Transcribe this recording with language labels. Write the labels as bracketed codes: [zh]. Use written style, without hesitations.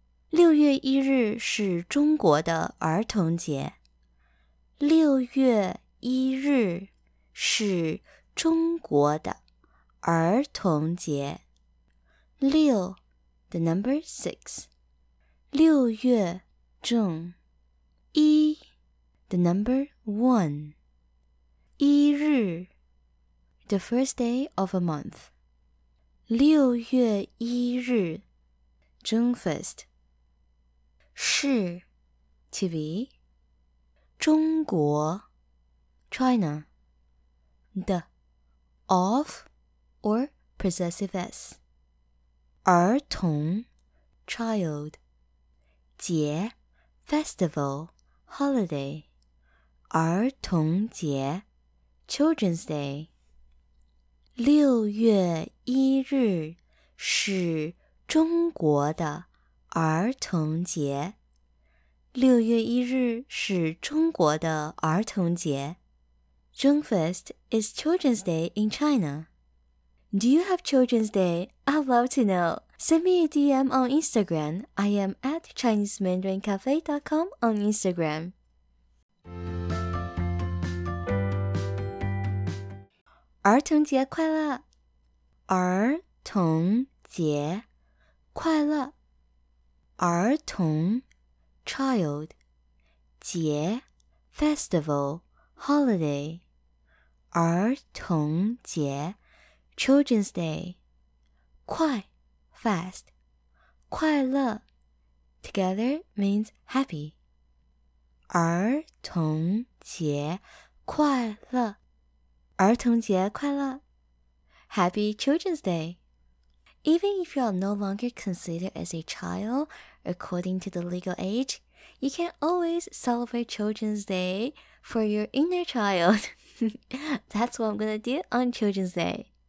[zh] 六月一日是中国的儿童节。六月一日是中国的儿童节。 [en] 六 ，the number six， [zh] 六月正一 [en] ，the number one， 一日 ，the first day of a month， [zh] 六月一日 [en] ，June first。是 ，to be， 中国 ，China， 的 ，of， or possessive s， 儿童 ，child， 节 ，festival， holiday， 儿童节 ，children's day， [zh] 六月一日是中国的儿童节。六月一日是中国的儿童节。 [en] June first is Children's Day in China. Do you have Children's Day? I'd love to know. Send me a DM on Instagram. I am at ChineseMandarinCafe.com on Instagram. [zh] 儿童节快乐！儿童节快乐！儿童 [en] Child, 节 festival, holiday, 儿童节 children's day, 快 fast, 快乐 together means happy. [zh] 儿童节快乐，儿童节快乐 [en] happy children's day. Even if you are no longer considered as a child, according to the legal age,You can always celebrate Children's Day for your inner child. That's what I'm gonna do on Children's Day.